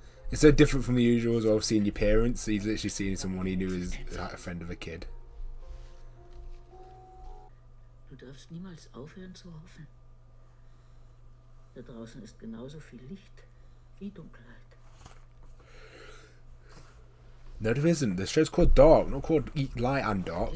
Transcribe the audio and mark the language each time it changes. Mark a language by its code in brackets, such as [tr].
[en] It's so different from the usual as well, seeing your parents. He's literally seeing someone he knew as like a friend of a kid. [de] Du darfst niemals aufhören zu hoffen. Da draußen ist genauso viel Licht wie Dunkelheit. [en] No, there isn't. The show's called Dark, not called Eat Light and Dark.